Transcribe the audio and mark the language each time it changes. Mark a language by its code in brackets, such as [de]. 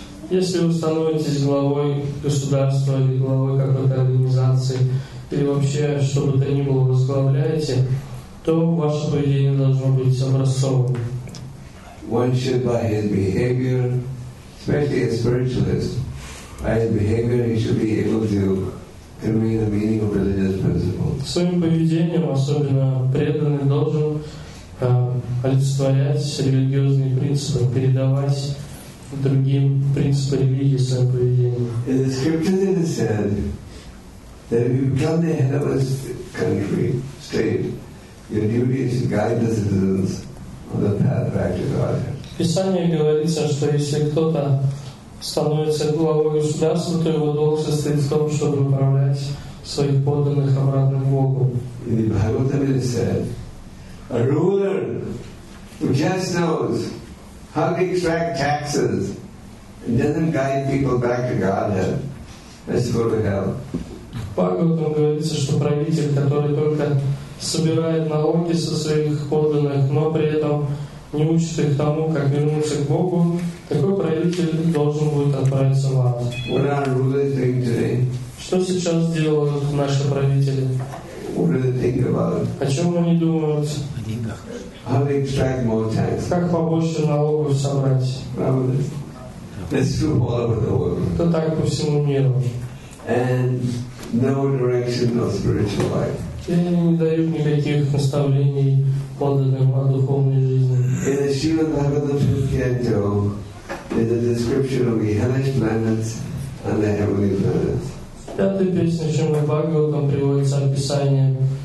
[ru] Если вы становитесь главой государства или главой какой-то организации, или вообще, что бы то ни было, возглавляете, то ваше поведение должно быть образцовым. [en] One should by his behavior, especially a spiritualist, by his behavior he should be able to convey the meaning of religious principles. [ru] Своим поведением, особенно преданный, должен олицетворять религиозные принципы, передавать другим принципы религии своим поведением. [en] In the scriptures it is said that if you become the head of a country, state, your duty is to guide the citizens on the path back to God. [ru] В Писании говорится, что если кто-то становится главой государства, то его долг состоит в том, чтобы управлять своих подданных обратно к Богу. [en] In the Bhagavatam it is said, a ruler who just knows how to extract taxes and doesn't guide people back to Godhead has to go to hell. [ru] В Бхагаватам говорится, что правитель, который только собирает налоги со своих подданных, но при этом не учит их тому, как вернуться к Богу, такой правитель должен будет отправиться в ад. [en] What are rulers doing today? [ru] Что сейчас делают наши правители? [en] What do they think about? [ru] О чем они думают? О деньгах. [en] How they extract more taxes? [ru] Как побольше налогов собрать? [en] That's true all over the world. [ru] Это так по всему миру. [en] And no direction of spiritual life. [ru] И они не дают никаких наставлений подданным о духовной жизни. [en] In the Śrīmad Bhāgavatam 5th canto is a description of the hellish planets and the heavenly planets. [ru] В пятой песне Śrīmad Bhāgavatam приводится описание